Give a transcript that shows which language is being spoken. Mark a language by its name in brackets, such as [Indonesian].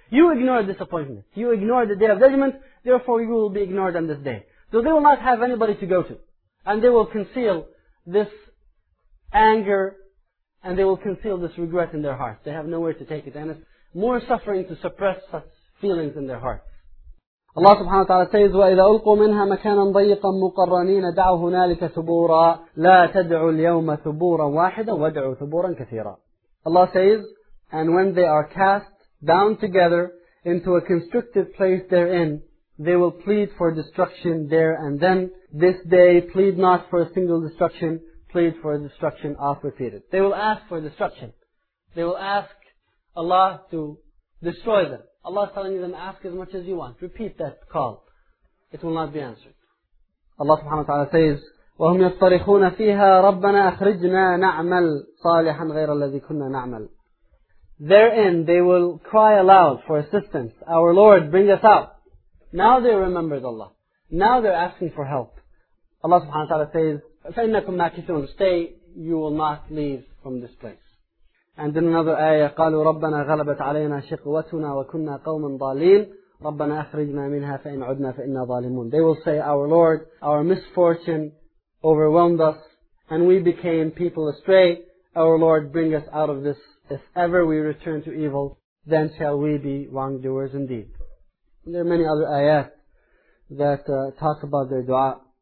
[English] You ignored this appointment. You ignored the Day of Judgment, therefore you will be ignored on this day. So they will not have anybody to go to. And they will conceal this anger and they will conceal this regret in their hearts. They have nowhere to take it. And it's more suffering to suppress such feelings in their hearts. Allah subhanahu wa ta'ala says, [Arabic] وَإِذَا أُلْقُوا مِنْهَا مَكَانًا ضَيِّقًا مُقَرَّنِينَ دَعُوا هُنَالِكَ ثُبُورًا لَا تَدْعُوا الْيَوْمَ ثُبُورًا وَاحِدًا وَادْعُوا ثُبُورًا كَثِيرًا. [English] Allah says, and when they are cast down together into a constricted place therein, they will plead for destruction there and then. This day, plead not for a single destruction, plead for a destruction oft repeated. They will ask for destruction. They will ask Allah to destroy them. Allah is telling them, ask as much as you want. Repeat that call. It will not be answered. Allah subhanahu wa ta'ala says, [Arabic] وَهُمْ يَصْطَرِخُونَ فِيهَا رَبَّنَا أَخْرِجْنَا نَعْمَلْ صَالِحًا غَيْرَ الَّذِي كُنَّا نَعْمَلْ. [English] Therein, they will cry aloud for assistance. Our Lord, bring us out. Now they remembered Allah. Now they're asking for help. Allah subhanahu wa ta'ala says, [Arabic] فَإِنَّكُمْ مَاكِثُونَ, [English] stay, you will not leave from this place. And in another ayah, [Arabic] قَالُوا رَبَّنَا غَلَبَتْ عَلَيْنَا شِقْوَتُنَا وَكُنَّا قَوْمًا ضَالِينَ رَبَّنَا أَخْرِجْنَا مِنْهَا فَإِنْ عُدْنَا فَإِنَّا ظَالِمُونَ. [English] They will say, our Lord, our misfortune overwhelmed us and we became people astray. Our Lord, bring us out of this. If ever we return to evil, then shall we be wrongdoers indeed. And there are many other ayahs that talk about their dua.